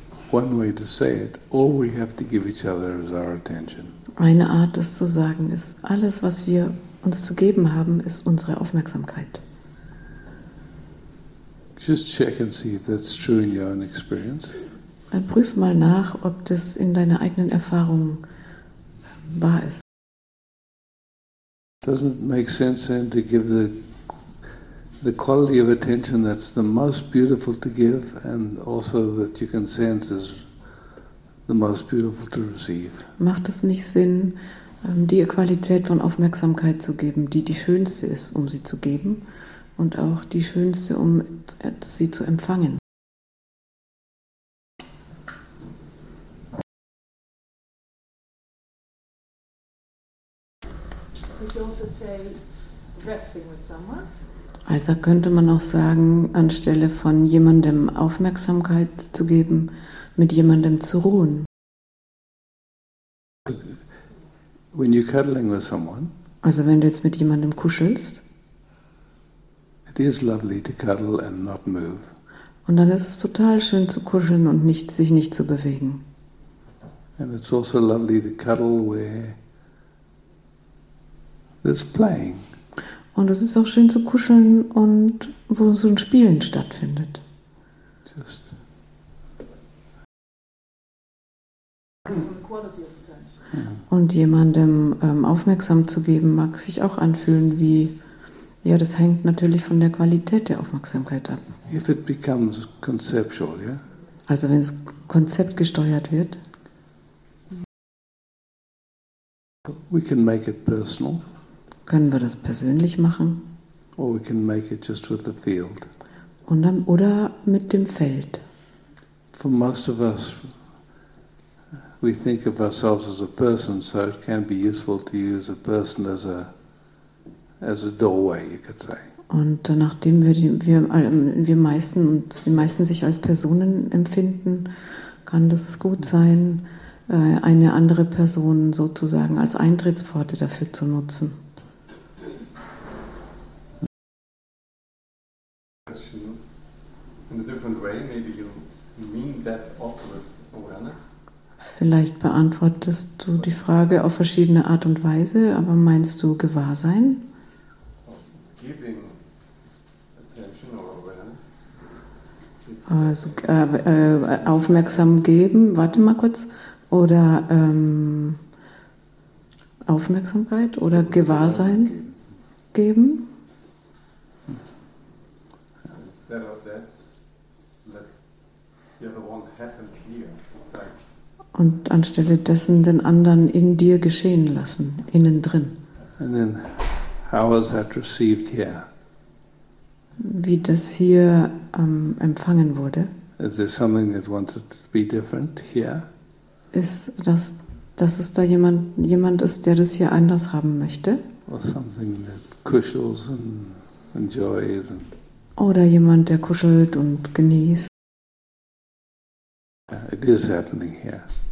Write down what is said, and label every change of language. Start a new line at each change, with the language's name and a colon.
English: One way to say it, all we have to give each other is our attention.
German: Eine Art, das zu sagen, ist, alles, was wir uns zu geben haben, ist unsere Aufmerksamkeit.
English: Just check and see if that's true in your own experience.
German: Und prüf mal nach, ob das in deiner eigenen Erfahrung wahr ist.
English: Doesn't make sense then to give the the quality of attention that's the most beautiful to give, and also that you can sense is the most beautiful to receive.
German: Macht es nicht Sinn, die Qualität von Aufmerksamkeit zu geben, die die schönste ist, um sie zu geben, und auch die schönste, um sie zu empfangen? Also könnte man auch sagen, anstelle von jemandem Aufmerksamkeit zu geben, mit jemandem zu ruhen.
English: When you're cuddling with someone,
German: also wenn du jetzt mit jemandem kuschelst,
English: it is lovely to cuddle and not move.
German: Und dann ist es total schön zu kuscheln und nicht, sich nicht zu bewegen.
English: And it's also lovely to cuddle where there's playing.
German: Und es ist auch schön zu kuscheln und wo so ein Spielen stattfindet.
English: Just.
German: Und jemandem aufmerksam zu geben, mag sich auch anfühlen wie, ja, das hängt natürlich von der Qualität der Aufmerksamkeit ab.
English: If it becomes conceptual, yeah?
German: Also wenn es konzeptgesteuert wird,
English: we can make it personal.
German: Können wir das persönlich machen?
English: Or we can make it just with the field.
German: Und dann, oder mit dem Feld.
English: For most of us, we think of ourselves as a person, so it can be useful to use a person as a doorway, you could say.
German: Und nachdem die meisten sich als Personen empfinden, kann das gut sein, eine andere Person sozusagen als Eintrittspforte dafür zu nutzen.
English: In a different way, maybe you mean that also with awareness.
German: Vielleicht beantwortest du die Frage auf verschiedene Art und Weise, aber meinst du Gewahrsein?
English: Giving attention or awareness.
German: Also aufmerksam geben, warte mal kurz, oder Aufmerksamkeit oder Gewahrsein geben.
English: Instead of that, let the other one happen here inside.
German: Und anstelle dessen den anderen in dir geschehen lassen, innen drin.
English: And then, how is that received here?
German: Wie das hier empfangen wurde.
English: Is there something that wants it to be different here?
German: Ist das, dass es da jemand ist, der das hier anders haben möchte?
English: Or something that cushions and enjoys and.
German: Oder jemand, der kuschelt und genießt.
English: It is happening here.